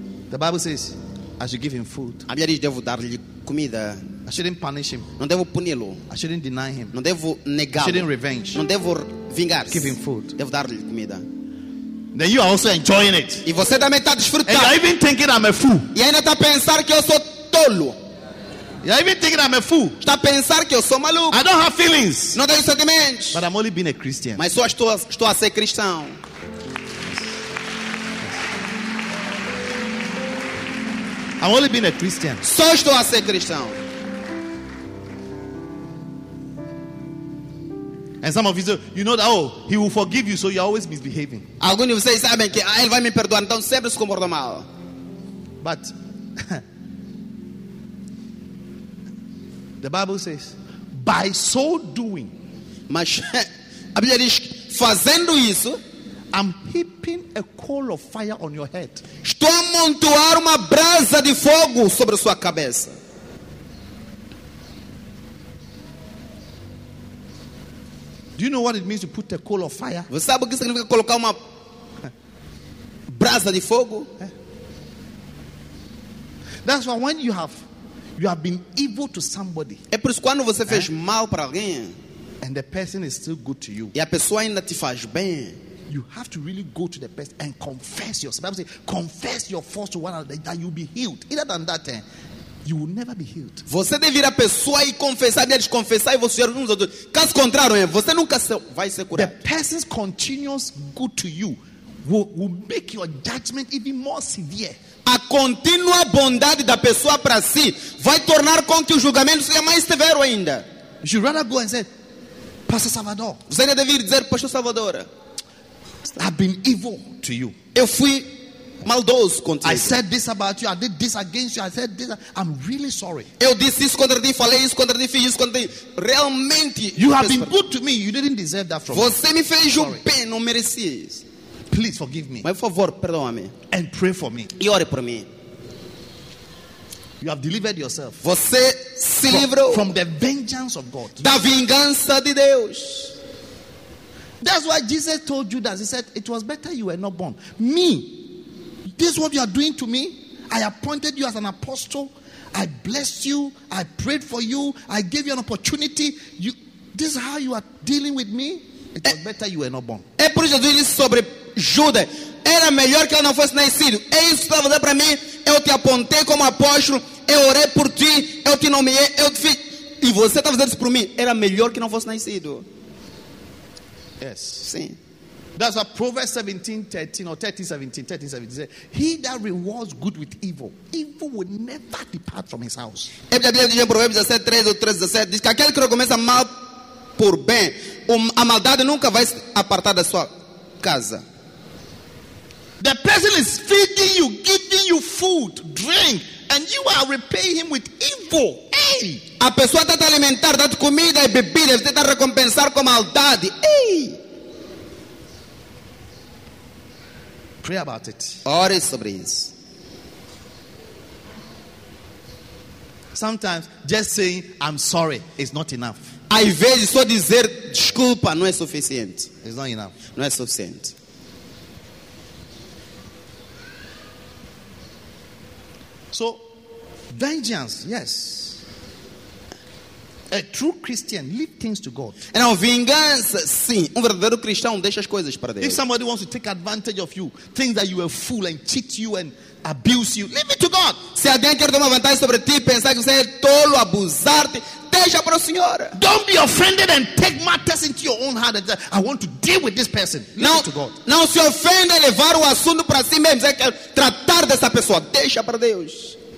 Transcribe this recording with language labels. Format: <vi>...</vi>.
<en>The Bible says, I should give him food.</en> <pt>A Bíblia diz, devo dar-lhe comida.</pt> <en>I shouldn't punish him.</en> <pt>Não devo puni-lo.</pt> <en>I shouldn't deny him.</en> <pt>Não devo negá-lo.</pt> <en>I shouldn't revenge.</en> <pt>Não devo vingar.</pt> <en>Give him food.</en> <pt>Devo dar-lhe comida.</pt> <en>Then you are also enjoying it.</en> <pt>E você também está desfrutando.</pt> <en>And you are even thinking I'm a fool.</en> <pt>E ainda está a pensar que eu sou tolo.</pt> <en>You are even thinking I'm a fool.</en> <pt>Está a pensar que eu sou maluco.</pt> <en>I don't have feelings.</en> <pt>Não tenho sentimentos.</pt> <en>But I'm only being a Christian.</en> <pt>Mas só estou a ser cristão.</pt> <en>I'm only being a Christian.</en> <pt>Só estou a ser cristão.</pt> <en>And some of you say, you know that, oh, he will forgive you, so you're always misbehaving.</en> <pt>Alguns de vocês sabem que ele vai me perdoar, então sempre se comporta mal.</pt> <en>But the Bible says, by so doing,</en> <pt>mas a Bíblia diz, fazendo isso,</pt> <en>I'm heaping a coal of fire on your head.</en> <pt>Estou a amontoar uma brasa de fogo sobre sua cabeça.</pt> <en>Do you know what it means to put a coal of fire?</en> <pt>Você sabe o que significa colocar uma brasa de fogo?</pt> <en>That's why when you have you have been evil to somebody.</en> <pt>É por isso quando você fez mal para alguém.</pt> <en>And the person is still good to you.</en> <pt>E a pessoa ainda te faz bem.</pt> <en>You have to really go to the person and confess yourself. Bible says, confess your faults to one another that you'll be healed. Either than that, you will never be healed.</en> <pt>Você deve ir à pessoa e confessar, deve confessar e você ser um dos outros. Caso contrário, você nunca vai ser curado.</pt> <en>The person's continuous good to you will make your judgment even more severe.</en> <pt>A contínua bondade da pessoa para si vai tornar com que o julgamento seja mais severo ainda.</pt> <en>You should rather go and say, Pastor Salvador.</en> <pt>Você ainda deve dizer, Pastor Salvador.</pt> <en>I've been evil to you.</en> <pt>Eu fui maldoso contigo.</pt> <en>I said this about you. I did this against you. I said this. I'm really sorry.</en> <pt>Eu disse isso contra ti, falei isso contra ti, fiz isso contra ti. Realmente,</pt> <en>you have been good to me. You didn't deserve that from</en> <pt>você me. Você me fez bem, não merecia isso.</pt> <en>Please forgive me.</en> <pt>Por favor, perdoa-me.</pt> <en>And pray for me.</en> <pt>E ore por mim.</pt> <en>You have delivered yourself.</en> <pt>Você se livrou</pt> <en>from the vengeance of God.</en> <pt>Da vingança de Deus.</pt> <en>That's why Jesus told Judas, he said, it was better you were not born. Me, this is what you are doing to me. I appointed you as an apostle. I blessed you. I prayed for you. I gave you an opportunity. This is how you are dealing with me. It was better you were not born.</en> <pt>É por isso que eu disse sobre Judas. Era melhor que eu não fosse nascido. É isso que você vai fazer para mim. Eu te apontei como apóstolo. Eu orei por ti. Eu te nomeei. Eu te fiz. E você está fazendo isso por mim. Era melhor que não fosse nascido.</pt> <en>Yes.</en> <pt>Sim.</pt> <en>That's what Proverbs 13:17 says. He that rewards good with evil, evil will never depart from his house.</en> <pt>Proverbs 13:17 diz que aquele que recomeça mal por bem, a maldade nunca vai se apartar da sua casa.</pt> <en>The person is feeding you, giving you food, drink, and you are repaying him with evil. Hey!</en> <pt>A pessoa está te alimentar, dando comida e bebida, você está recompensar com maldade.</pt> <en>Hey! Pray about it.</en> <pt>Ore sobre isso.</pt> <en>Sometimes just saying I'm sorry is not enough.</en> <pt>Às vezes só dizer desculpa não é suficiente.</pt> <en>It's not enough.</en> <pt>Não é suficiente.</pt> <en>So, vengeance, yes. A true Christian leave things to God. And now,</en> <pt>vingança, sim. Verdadeiro cristão deixa as coisas para Deus.</pt> <en>If somebody wants to take advantage of you, things that you are fool and cheat you and abuse you, leave it to God.</en> <pt>Se alguém quer tomar vantagem sobre ti, pensar que você é tolo, abusar-te, deixa para o Senhor.</pt> <en>Don't be offended and take matters into your own heart and say, I want to deal with this person. Leave it to God.</en> <pt>Não se ofenda e levar o assunto para si mesmo, dizer que quer tratar dessa pessoa, deixa para Deus.</pt>